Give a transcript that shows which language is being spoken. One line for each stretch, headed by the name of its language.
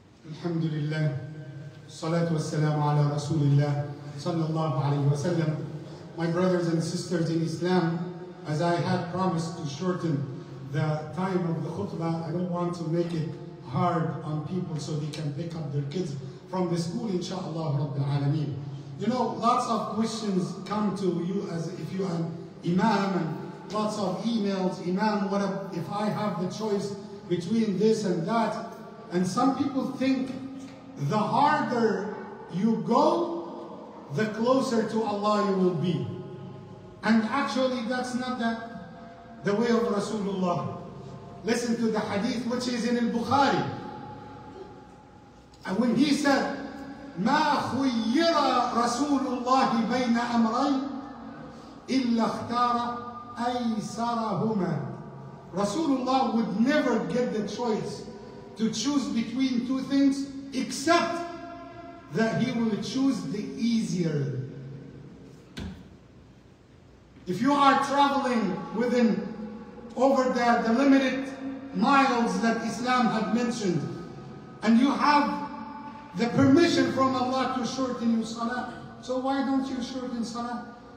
Arabic: الحمد لله الصلاة والسلام على رسول الله صلى الله عليه وسلم.
English: My brothers and sisters in Islam, as I had promised to shorten the time of the khutbah, I don't want to make it hard on people so they can pick up their kids from the school, inshallah,
Arabic: رب العالمين.
English: You know, lots of questions come to you as if you are an imam, and lots of emails, imam, what if I have the choice between this and that? And some people think the harder you go, the closer to Allah you will be. And actually, that's not the way of Rasulullah. Listen to the hadith which is in al-Bukhari. And when he said,
Arabic: ما خير رسول الله بين أمرين إلا اختار أيسرهما.
English: Rasulullah would never get the choice to choose between two things except that he will choose the easier. If you are traveling within over the limited miles that Islam had mentioned and you have the permission from Allah to shorten your salah, so why don't you shorten salah?